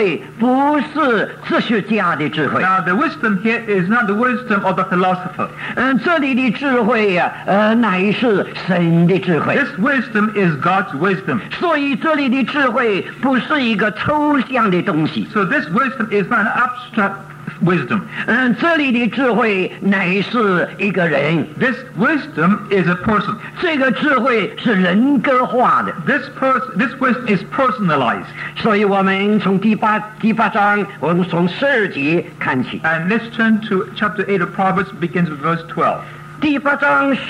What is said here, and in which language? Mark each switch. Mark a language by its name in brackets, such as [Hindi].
[Chinese] 但是我们知道在这里的智慧不是哲学家的智慧。 [English] Now the wisdom here is not the wisdom of the philosopher. [Chinese] 这里的智慧乃是神的智慧。 [English] This wisdom is God's wisdom. [Chinese] 所以这里的智慧不是一个抽象的东西。 [English] So this wisdom is not an abstract wisdom. [Chinese] 这里的智慧乃是一个人。 [English] This wisdom is a person. [Chinese] 这个智慧是人格化的。 [English] This wisdom is personalized. [Chinese] 所以我们从第八章，我们从十二节看起。 [English] And let's turn to chapter 8 of Proverbs, begins with verse 12.